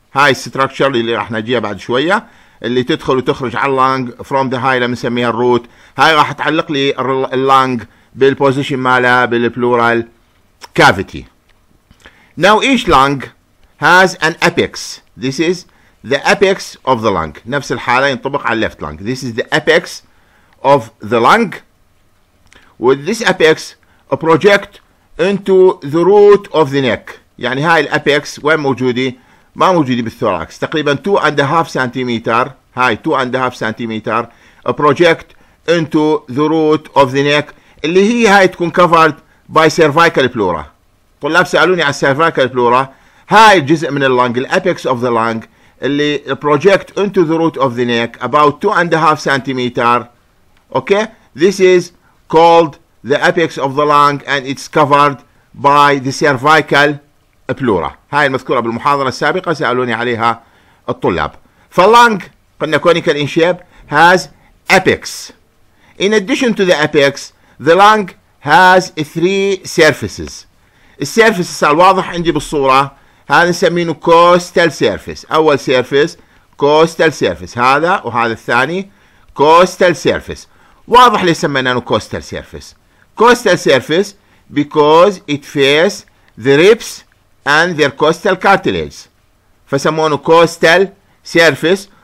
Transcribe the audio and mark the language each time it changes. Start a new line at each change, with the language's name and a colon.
Arabic: هاي structure اللي راح نجيها بعد شوية اللي تدخل وتخرج على اللانج
English: from the hilum
Arabic: نسميها الروت، هاي راح تعلق لي اللانج بالposition مالها بالpleural cavity.
English: now each lung has an apex. this is the apex of the lung.
Arabic: نفس الحالة ينطبق على left lung.
English: this is the apex of the lung. with this apex project into the root of the neck.
Arabic: يعني هاي الأبيكس وين موجودة؟ ما موجودة بالثوراكس. تقريبا 2.5 سنتيمتر. هاي 2.5 سنتيمتر
English: project into the root of the neck.
Arabic: اللي هي هاي تكون
English: covered by cervical pleura.
Arabic: طلاب سألوني على cervical pleura. هاي الجزء من اللانج الأبيكس
English: of the lung
Arabic: اللي
English: project into the root of the neck about
Arabic: 2.5 سنتيمتر.
English: Okay, this is called the apex of the lung and it's covered by the cervical pleura.
Arabic: هاي المذكورة بالمحاضرة السابقة سألوني عليها الطلاب. فاللانج قلنا
English: conical in shape has apex. In addition to the apex, the lung has three surfaces.
Arabic: السيرفيس صار الواضح عندي بالصورة، هذا نسمينه costal surface.
English: أول surface costal surface هذا، وهذا الثاني costal surface.
Arabic: واضح ليش سمينا انه كوستال سيرفيس.
English: Costal surface because it faces the ribs and their costal cartilage، فسمونه costal surface.